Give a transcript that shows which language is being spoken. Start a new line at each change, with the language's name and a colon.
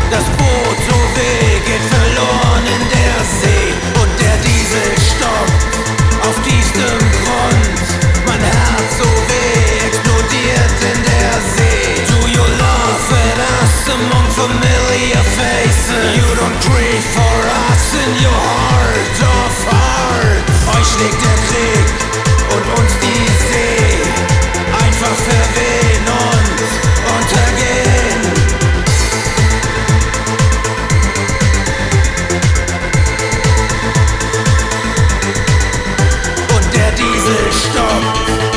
German: Das Boot so weh geht verloren in der See. Und der Diesel stoppt auf tiefstem Grund. Mein Herz so weh explodiert in der See.
English: Do you love at us among familiar faces? You don't grieve for us in your heart of hearts.
German: Euch schlägt der Krieg und uns die See. Einfach verwehen und untergehen. Und der Diesel stoppt.